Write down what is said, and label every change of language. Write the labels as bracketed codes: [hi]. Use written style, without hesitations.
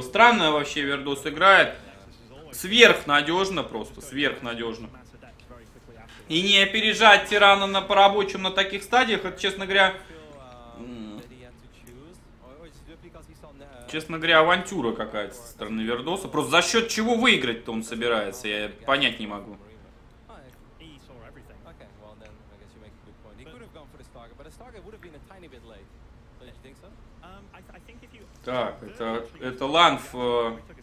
[ru] Странно вообще Вердос играет. Сверхнадежно просто, сверхнадежно. И не опережать тирана на порабочем на таких стадиях, это, честно говоря, авантюра какая-то со стороны Вердоса. Просто за счет чего выиграть-то он собирается, я понять не могу. [en] Okay, well, then, I guess you make a good point. He could have gone for the Stargate, but the Stargate would have been a tiny bit late. Don't you think so? I think if you [ru] Так, это LAN в...